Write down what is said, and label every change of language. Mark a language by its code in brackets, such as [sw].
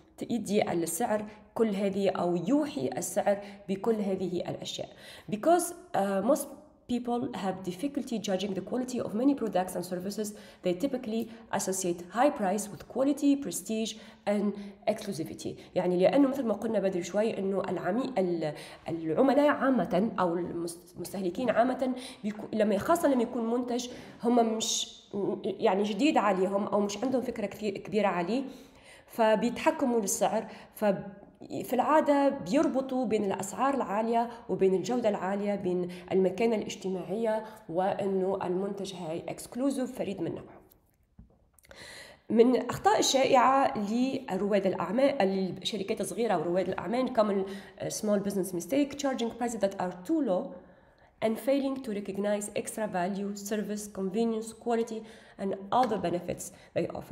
[ar] يدي السعر كل هذه، أو يوحي السعر بكل هذه الأشياء. [en] Because most people have difficulty judging the quality of many products and services, they typically associate high price with quality, prestige and exclusivity. [ar] يعني لأنه مثل ما قلنا بدري شوي أنه العملاء عامة أو المستهلكين عامة، لما خاصة لما يكون منتج هم مش يعني جديد عليهم أو مش عندهم فكرة كبيرة عليه، فبيتحكموا للسعر. في العادة بيربطوا بين الأسعار العالية وبين الجودة العالية، بين المكانة الاجتماعية وأنه المنتج هاي exclusive، فريد من نوعه. من أخطاء الشائعة لرواد الأعمال، الشركات الصغيرة ورواد الأعمال، كم [en] small business mistake charging prices that are too low and failing to recognize extra value, service, convenience, quality and other benefits they offer.